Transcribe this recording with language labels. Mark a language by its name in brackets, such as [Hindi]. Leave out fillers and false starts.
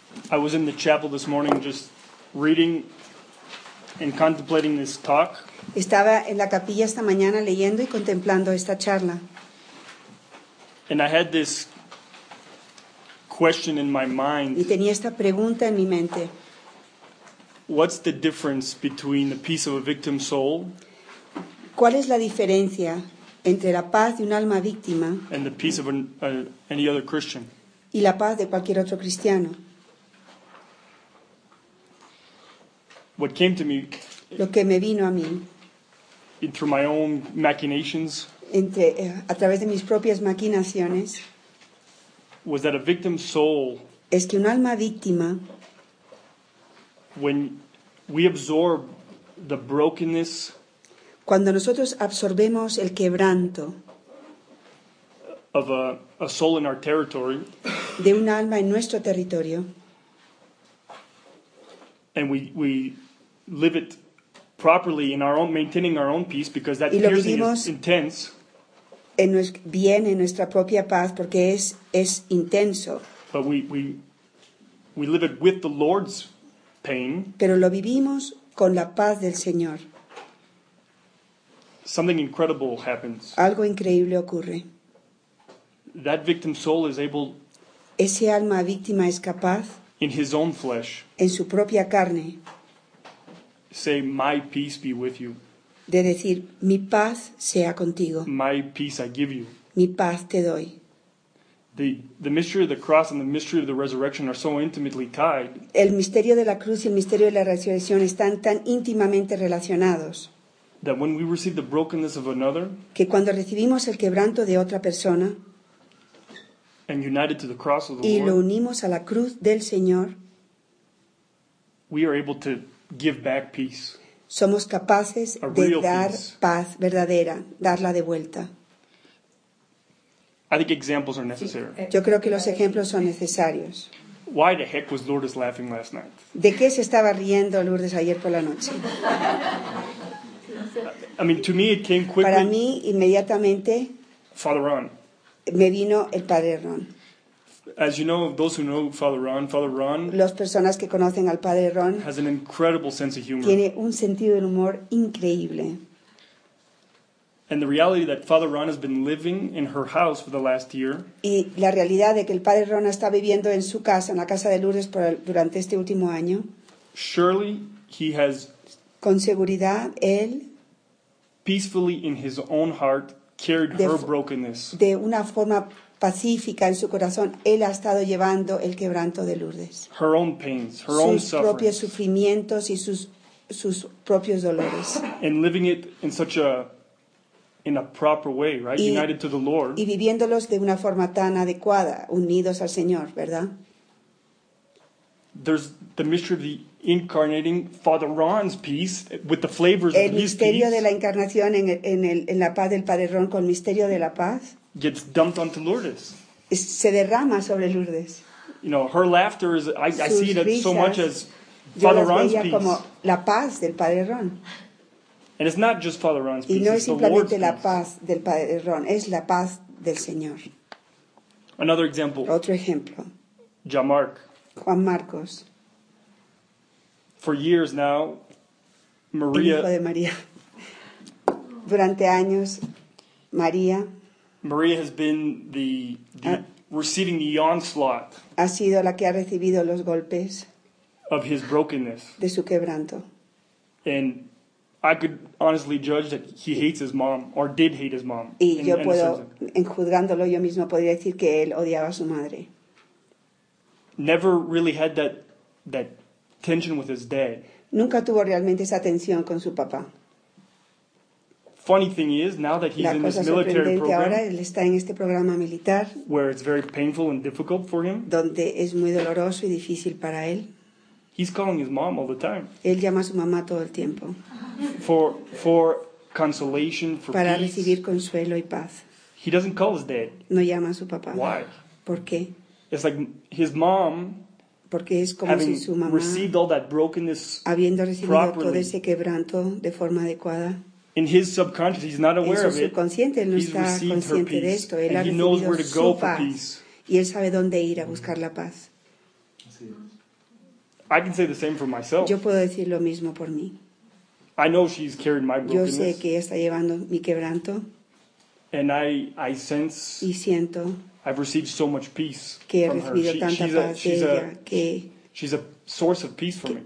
[English] I was in the chapel this morning just reading and contemplating this talk. [Spanish] Estaba en la capilla esta mañana leyendo y contemplando esta charla. [English] And I had this question in my mind. [Spanish] Y tenía esta pregunta en mi mente. [English] What's the difference between the peace of a victim soul? [Spanish] ¿Cuál es la diferencia entre la paz de un alma víctima [English] and the peace of any other Christian? [Spanish] Y la paz de cualquier otro cristiano? [English] What came to me, [Spanish] lo que me vino a mí, [English] through my own machinations, [Spanish] a través de mis propias maquinaciones, [English] was that a victim soul, [Spanish] es que un alma víctima, [English] when we absorb the brokenness, [Spanish] cuando nosotros absorbemos el quebranto [English] of a soul in our territory, [Spanish] de un alma en nuestro territorio, [English] and we live it properly in our own, maintaining our own peace, because that piercing is intense. [Spanish] En nuestra propia paz, porque es intenso. [English] But we live it with the Lord's pain. [Spanish] Pero lo vivimos con la paz del Señor. [English] Something incredible happens. [Spanish] Algo increíble ocurre. [English] That victim soul is able. [Spanish] Ese alma víctima es capaz. [English] In his own flesh. [Spanish] En su propia carne. [English] Say, my peace be with you. [Spanish] De decir, mi paz sea contigo. [English] My peace I give you. [Spanish] Mi paz te doy. [English] The mystery of the cross and the mystery of the resurrection are so intimately tied. [Spanish] El misterio de la cruz y el misterio de la resurrección están tan íntimamente relacionados. [English] That when we receive the brokenness of another. [Spanish] Que cuando recibimos el quebranto de otra persona. [English] And united to the cross of the [Spanish] y [English] Lord. [Spanish] Y lo unimos a la cruz del Señor. [English] We are able to give back peace. [Spanish] Somos capaces de dar paz verdadera, darla de vuelta. [English] I think examples are necessary. [Spanish] Yo creo que los ejemplos son necesarios. [English] Why the heck was Lourdes laughing last night? [Spanish] ¿De qué se estaba riendo Lourdes ayer por la noche? [English] I mean, to me it came quickly. [Spanish] Para mí inmediatamente. [English] Father Ron. [Spanish] Me vino el Padre Ron. [English] As you know, those who know Father Ron, [Spanish] las personas que conocen al Padre Ron, [English] has an incredible sense of humor. [Spanish] Tiene un sentido del humor increíble. [English] And the reality that Father Ron has been living in her house for the last year. [Spanish] Y la realidad de que el Padre Ron está viviendo en su casa, en la casa de Lourdes, durante este último año. [English] Surely he has. [Spanish] Con seguridad él. [English] Peacefully in his own heart carried her brokenness. [Spanish] De una forma pacífica en su corazón, él ha estado llevando el quebranto de Lourdes. [English] Her own pains, her [Spanish] sus [English] own [Spanish] propios [English] sufferings. [Spanish] Sufrimientos y sus propios dolores. [English] And living it in such a in a proper way, right? United to the Lord. [Spanish] Y viviéndolos de una forma tan adecuada, unidos al Señor, ¿verdad? [English] There's the mystery of the incarnating Father Ron's peace with the flavors of his peace. [Spanish] El misterio de la encarnación en la paz del Padre Ron con el misterio de la paz. [English] Gets dumped onto Lourdes. [Spanish] Se derrama sobre Lourdes. [English] You know, her laughter is, I see it so much as Father Ron's peace. [Spanish] Como la paz del Padre Ron. [English] And it's not just Father Ron's peace. [Spanish] Y no [English] it's [Spanish] es simplemente [English] the Lord's [Spanish] la paz del Padre Ron, es la paz del Señor. [English] Another example. [Spanish] Otro ejemplo. [English] Juan [Spanish] Marcos. [English] For years now, Maria. [Spanish] El hijo de María. Durante años, María. [English] Maria has been the receiving the onslaught. [Spanish] Ha sido la que ha recibido los golpes. [English] Of his brokenness. [Spanish] De su quebranto. [English] And I could honestly judge that he hates his mom, or did hate his mom. [Spanish] Y yo puedo, en juzgándolo yo mismo, podría decir que él odiaba a su madre. [English] Never really had that tension with his dad. [Spanish] Nunca tuvo realmente esa tensión con su papá. [English] Funny thing is, now that he's in this military program, [Spanish] ahora él está en este programa militar, [English] where it's very painful and difficult for him, [Spanish] donde es muy doloroso y difícil para él, [English] he's calling his mom all the time. [Spanish] Él llama a su mamá todo el tiempo. [English] For consolation, for [Spanish] para [English] peace. [Spanish] Recibir consuelo y paz. [English] He doesn't call his dad. [Spanish] No llama a su papá. [English] Why? [Spanish] ¿Por qué? [English] It's like his mom, [Spanish] porque es como [English] having [Spanish] si su mamá, [English] received all that brokenness, [Spanish] habiendo recibido [English] properly, [Spanish] todo ese quebranto de forma adecuada. [English] In his subconscious, he's not aware [Spanish] en su subconsciente, [English] of it. [Spanish] Él no está consciente [English] her peace, [Spanish] de esto. Él ha [English] he knows where to go for [Spanish] paz, [English] peace. [Spanish] Y él sabe dónde ir a buscar la paz. [English] I can say the same for myself. [Spanish] Yo puedo decir lo mismo por mí. [English] I know she's carrying my brokenness. [Spanish] Yo sé que ella está llevando mi quebranto. [English] And I sense. [Spanish] Y siento. [English] I've received so much peace. [Spanish] Que he recibido [English] from her. [Spanish] Tanta [English] she's [Spanish] paz de ella. Que [English] she's a source of peace for me.